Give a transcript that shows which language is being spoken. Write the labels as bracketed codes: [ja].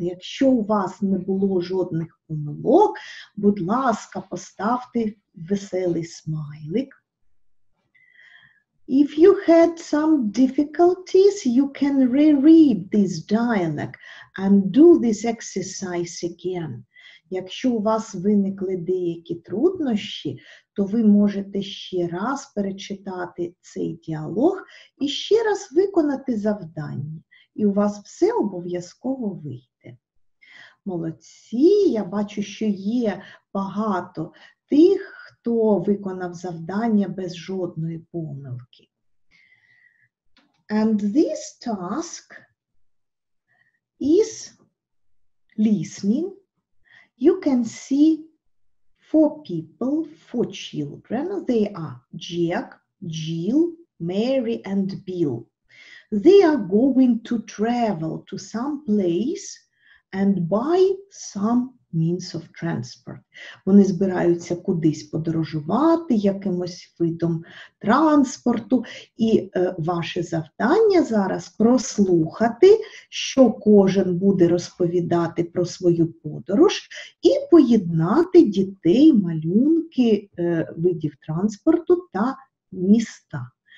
[uk] Якщо у вас не було жодних помилок, будь ласка, поставте веселий смайлик. [en] If you had some difficulties, you can reread this dialogue and do this exercise again. [uk] Якщо у вас виникли деякі труднощі, то ви можете ще раз перечитати цей діалог і ще раз виконати завдання. І у вас все обов'язково вийде. Молодці, я бачу, що є багато тих, хто виконав завдання без жодної помилки. [en] And this task is listening. You can see four people, four children. They are Jack, Jill, Mary and Bill. They are going to travel to some place and buy some means of transport. [uk] Вони збираються кудись подорожувати якимось видом транспорту. І ваше завдання зараз прослухати, що кожен буде розповідати про свою подорож і поєднати дітей, малюнки видів транспорту та міста.